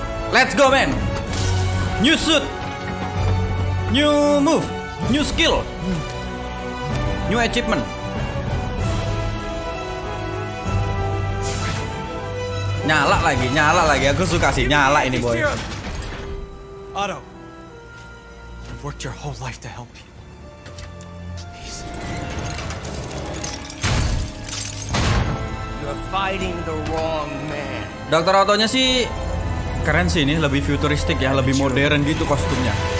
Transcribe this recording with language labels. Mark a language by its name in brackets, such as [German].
[English] Let's go, man. New suit. New move. New skill, new achievement. [Indonesian] Nyala lagi. Aku suka sih nyala ini, boy. [English] Otto, I've worked your whole life to help you. Please. You're fighting the wrong man. [Indonesian] Dokter Otto-nya sih keren sih ini, lebih futuristik ya, lebih modern gitu kostumnya.